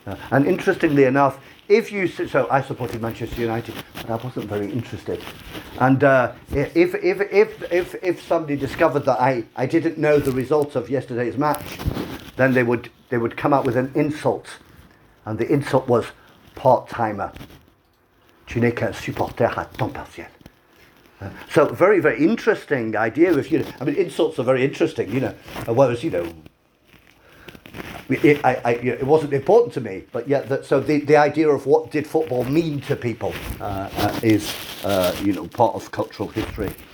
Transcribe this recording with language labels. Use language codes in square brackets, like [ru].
[en] And interestingly enough, I supported Manchester United, but I wasn't very interested. And if somebody discovered that I didn't know the results of yesterday's match, then they would come out with an insult. And the insult was part-timer. [fr] Tu n'es qu'un supporter à temps partiel. [en] So very, very interesting idea. Insults are very interesting, you know. Whereas, you know, it wasn't important to me. But yet, the idea of what did football mean to people is part of cultural history.